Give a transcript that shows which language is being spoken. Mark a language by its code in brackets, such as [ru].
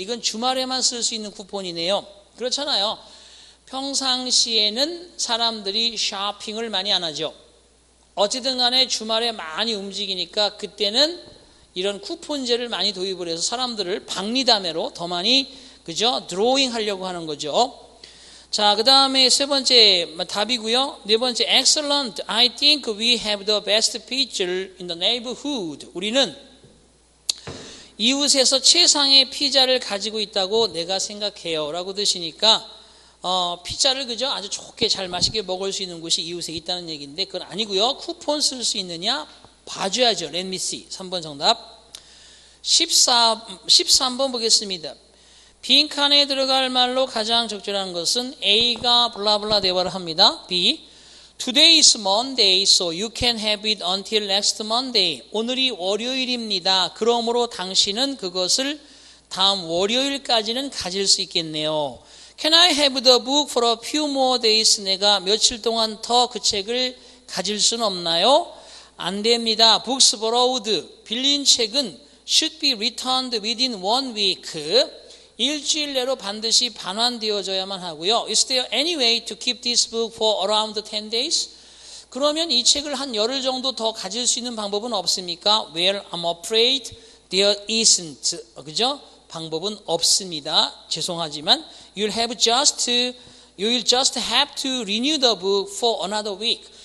[ko] 이건 주말에만 쓸 수 있는 쿠폰이네요. 그렇잖아요. 평상시에는 사람들이 쇼핑을 많이 안 하죠. 어쨌든 간에 주말에 많이 움직이니까 그때는 이런 쿠폰제를 많이 도입을 해서 사람들을 박리담회로 더 많이, 그죠? 드로잉 하려고 하는 거죠. 자, 그 다음에 세 번째 답이고요. 네 번째, excellent. [en] I think we have the best pizza in the neighborhood. [ko] 우리는 이웃에서 최상의 피자를 가지고 있다고 내가 생각해요. 라고 드시니까 피자를 그죠? 아주 좋게 잘 맛있게 먹을 수 있는 곳이 이웃에 있다는 얘기인데 그건 아니고요. 쿠폰 쓸 수 있느냐? 봐줘야죠. [en] Let me see. [ko] 3번 정답. 13번 보겠습니다. 빈칸에 들어갈 말로 가장 적절한 것은 A가 블라블라 대화를 합니다. [en] B. Today is Monday, so you can have it until next Monday. [ko] 오늘이 월요일입니다. 그러므로 당신은 그것을 다음 월요일까지는 가질 수 있겠네요. [en] Can I have the book for a few more days? [ko] 내가 며칠 동안 더 그 책을 가질 순 없나요? 안 됩니다. [en] Books borrowed. [ko] 빌린 책은 [en] should be returned within one week. [ko] 일주일 내로 반드시 반환되어져야만 하고요. [en] Is there any way to keep this book for around 10 days? [ko] 그러면 이 책을 한 열흘 정도 더 가질 수 있는 방법은 없습니까? [en] Well, I'm afraid there isn't. [ko] 그죠? 방법은 없습니다. 죄송하지만 [en] you'll just have to renew the book for another week.